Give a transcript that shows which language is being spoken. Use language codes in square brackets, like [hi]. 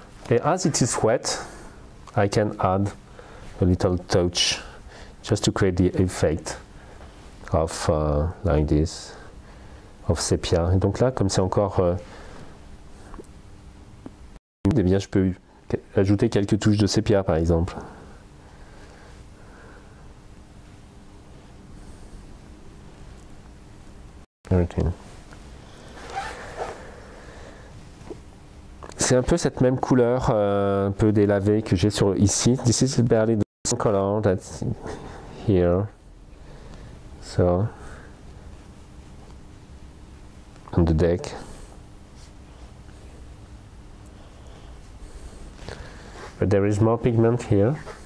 [en] And as it is wet, I can add a little touch just to create the effect of like this, of sepia. [fr] Et donc là, comme c'est encore humide, eh bien je peux ajouter quelques touches de sepia par exemple. [en] Everything. [fr] C'est un peu cette même couleur, un peu délavée que j'ai sur ici. [en] This is barely the same color that's here. So, on the deck. But there is more pigment here.